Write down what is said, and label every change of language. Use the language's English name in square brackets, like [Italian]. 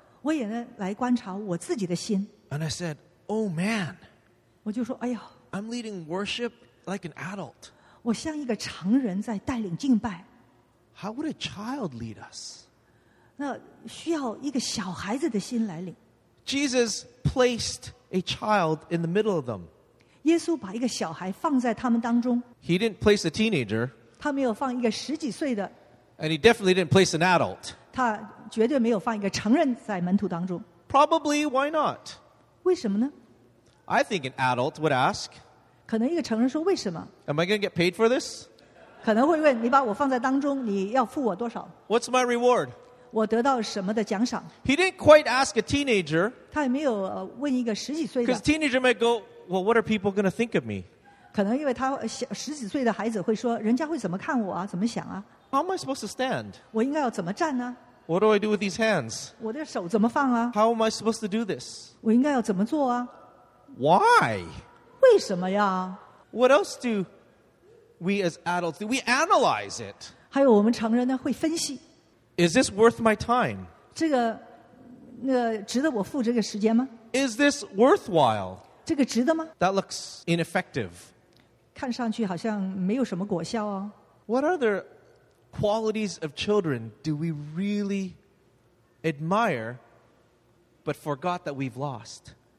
[Chinese] 我也来观察我自己的心。 [English] And I said, oh man. [Chinese] 我就说, 哎呦, [English] I'm leading worship like an adult. [Chinese] 我像一个成人在带领敬拜。 [English] How would a child lead us? [Chinese] 那需要一个小孩子的心来领。 [English] Jesus placed a child in the middle of them. [Chinese] 耶稣把一个小孩放在他们当中。 [English] He didn't place a teenager. [Chinese] 他没有放一个十几岁的。 [English] And he definitely didn't place an adult. [Chinese] 他绝对没有放一个成人在门徒当中。 [English] Probably, why not? [Chinese] 为什么呢? [English] I think an adult would ask. [Chinese] 可能一个成人说为什么? [English] Am I going to get paid for this? [Chinese] 可能会问,你把我放在当中, 你要付我多少? [English] What's my reward? [Chinese] 我得到什么的奖赏? [English] He didn't quite ask a teenager. [Chinese] 他也没有问一个十几岁的。 [English] Because teenager might go, well, what are people going to think of me? [Chinese] 可能因为他十几岁的孩子会说, 人家会怎么看我啊, 怎么想啊? [English] How am I supposed to stand? [Chinese] 我应该要怎么站呢? [English] What do I do with these hands? [Chinese] 我的手怎么放啊? [English] How am I supposed to do this? [Chinese] 我应该要怎么做啊? [English] Why? [Chinese] 为什么呀? [English] What else do we as adults do? We analyze it. [Chinese] 还有我们成人呢,会分析。 [English] Is this worth my time? [Chinese] 这个值得我付这个时间吗? [English] Is this worthwhile? [Chinese] 这个值得吗? [English] That looks ineffective. [Chinese] 看上去好像没有什么果效哦。 [English] What other qualities of children do we really admire but forgot that we've lost?